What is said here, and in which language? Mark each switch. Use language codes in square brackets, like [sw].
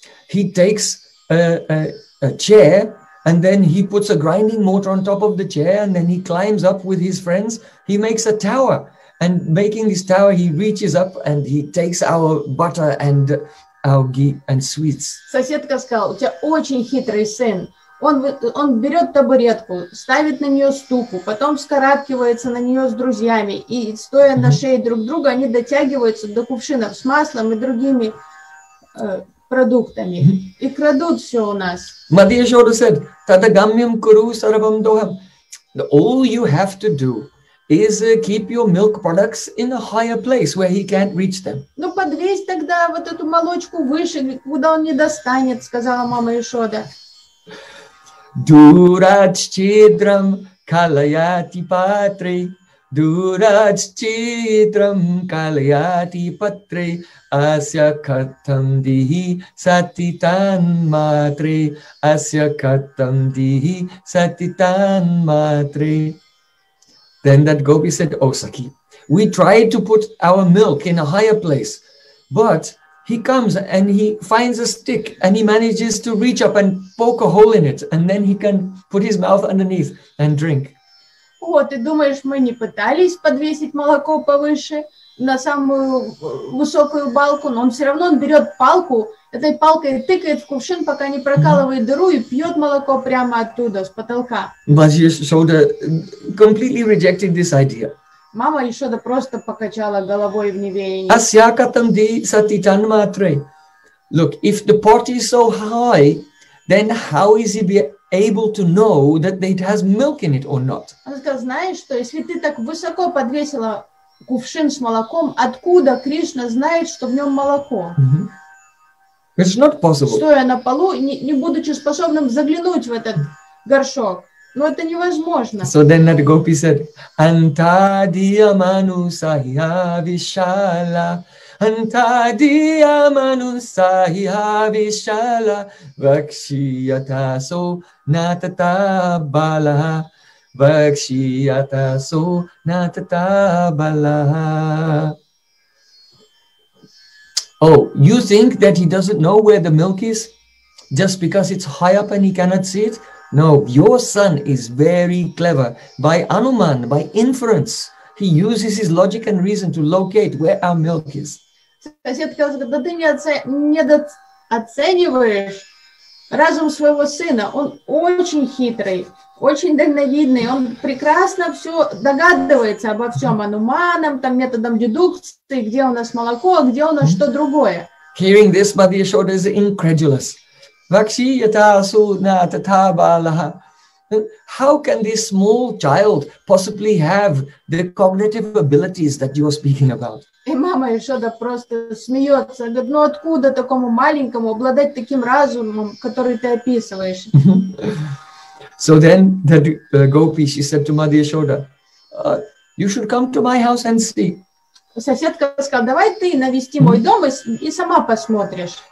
[en] He takes a chair and then he puts a grinding mortar on top of the chair and then he climbs up with his friends. He makes a tower. And making this tower, he reaches up and he takes our butter and our ghee and sweets. [ru] Соседка сказала, у тебя очень хитрый сын. Он берет табуретку, ставит на нее ступу, потом вскарабкивается на нее с друзьями. И стоя на шее друг друга, они дотягиваются до кувшинов с маслом и другими продуктами. И крадут все у нас. [sa] Мадья Шоду [en] said, [sa] Тадагамьям куру сарабам дохам. [en] All you have to do is keep your milk products in a higher place where he can't reach them. [ru] Ну подвесь тогда вот эту молочку выше, куда он не достанет, сказала мама Ишода. [sa] Дурачидрам калаяти патри, дурачидрам калаяти патри, ася катам дихи сатитан матри, ася катам дихи сатитан матри. [en] Then that gopi said, oh, Saki, we tried to put our milk in a higher place, but he comes and he finds a stick and he manages to reach up and poke a hole in it and then he can put his mouth underneath and drink. [ru] О, ты думаешь, мы не пытались подвесить молоко повыше на самую высокую балку, но он все равно он берет палку, этой палкой тыкает в кувшин, пока не прокалывает дыру и пьет молоко прямо оттуда, с потолка. [en] Мама Ишода completely rejected this idea. [ru] Мама Ишода просто покачала головой в неверии. [sa] Асья катам ди сатитан матре. [en] Look, if the pot is so high, then how is he able to know that it has milk in it or not? [ru] Она сказала, знаешь что, если ты так высоко подвесила кувшин с молоком, откуда Кришна знает, что в нем молоко? [en] Mm-hmm. It's not possible. [ru] Стоя на полу, не будучи способным заглянуть в этот горшок. Но это невозможно. [en] So then that gopi said, [sa] Antadiyamanusahiha vishala. Antadiya manusahiha vishala. Vakshiyata so natata bala. Vakshiyata so natata bala. [en] Oh, you think that he doesn't know where the milk is? Just because it's high up and he cannot see it? No, your son is very clever. By anuman, by inference, he uses his logic and reason to locate where our milk is. [ru] Соседка сказала, да ты недооцениваешь разум своего сына. Он очень хитрый, очень дальновидный. Он прекрасно все догадывается обо всем ануманом, там методом дедукции, где у нас молоко, а где у нас что другое. [en] Hearing this, Madhya Shoda is incredulous. [sa] Vakshi yatasu na tatabalaha. [en] How can this small child possibly have the cognitive abilities that you are speaking about? [ru] И мама Ишода просто смеется. Говорит, ну откуда такому маленькому обладать таким разумом, который ты описываешь? [en] So then the gopi, she said to Madhya Ишода, you should come to my house and see. [ru] Соседка сказала, давай ты навести мой дом и сама посмотришь.